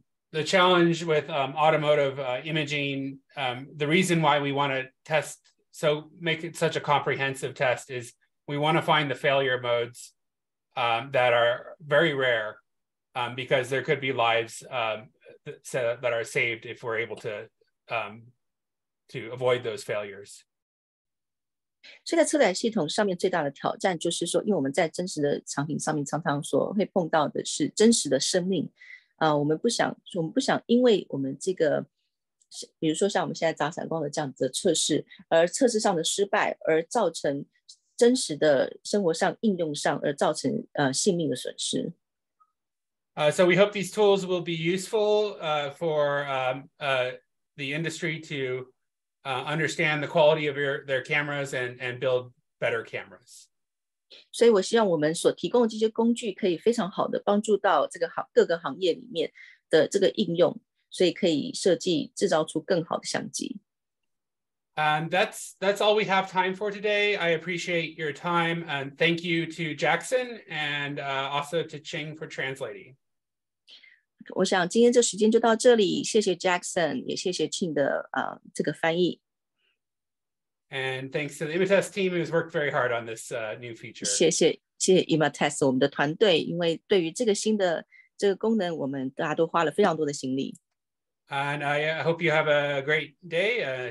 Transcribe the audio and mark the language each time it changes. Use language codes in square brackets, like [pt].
[en] The challenge with automotive imaging, the reason why we want to test, so make it such a comprehensive test isWe want to find the failure modes that are very rare because there could be lives that are saved if we're able to avoid those failures. [zh] 所以在车载系统上面最大的挑战就是说，因为我们在真实的场景上面常常说会碰到的是真实的生命，我们不想因为我们这个比如说像我们现在杂散光的这样子的测试而测试上的失败而造成真实的生活上应用上而造成性命的损失。 [en] So we hope these tools will be useful for the industry to understand the quality of their cameras and build better cameras. [zh] 所以我希望我们所提供的这些工具可以非常好的帮助到这个行各个行业里面的这个应用，所以可以设计制造出更好的相机。 [en] That's all we have time for today. I appreciate your time and thank you to Jackson and also to Ching for translating. [zh] 我想今天这时间就到这里，谢谢 Jackson， 也谢谢 Ching 的这个翻译。 [en] And thanks to the IMATES team who's worked very hard on this new feature. [zh] 谢谢 IMATES 我们的团队，因为对于这个新的这个功能，我们大家都花了非常多的心力。 [en] And I hope you have a great day.